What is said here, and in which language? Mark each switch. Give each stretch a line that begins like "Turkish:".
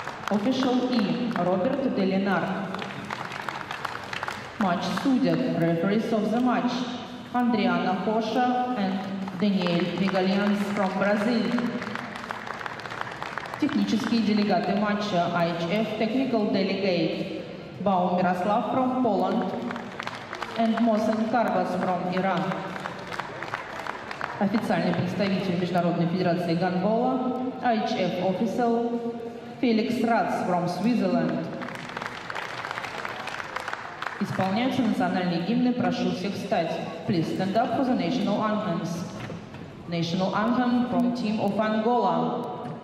English: Official E. Роберт Делинар.
Russian: Матч судят.
English: Referees of the match. Андриана Коша и Даниэль Мигальянс from Brazil.
Russian: Технические делегаты матча.
English: IHF Technical Delegate. Бау Мирослав from Poland. And Мосен Карбас from Iran.
Russian: Официальный представитель Международной Федерации Гандбола.
English: IHF Official. Феликс Рац from Switzerland.
Russian: Исполняются национальные гимны. Прошу всех встать.
English: Please stand up for the national anthems. National anthem from team of Angola.